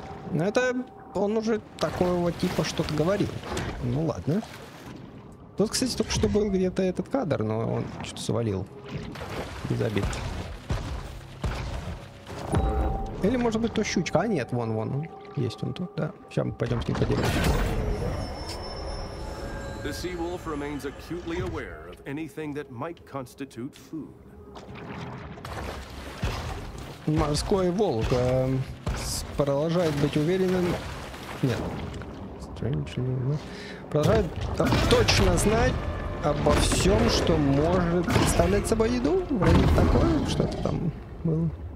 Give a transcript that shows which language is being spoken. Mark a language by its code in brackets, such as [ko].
[ru] Ну это он уже такого типа что-то говорил. Ну ладно. Тут, кстати, только что был где-то этот кадр, но он что-то свалил. Без обид. Или может быть то щучка? А нет, вон, вон. Есть он тут, да. Сейчас мы пойдем с ним поделимся. [en] The sea wolf remains acutely aware of anything that might constitute food. [ru] Морской волк продолжает быть уверенным. Нет. [en] Strangely, [ru] но... продолжает точно знать обо всем, что может представлять собой еду. Вроде такое, что-то там было.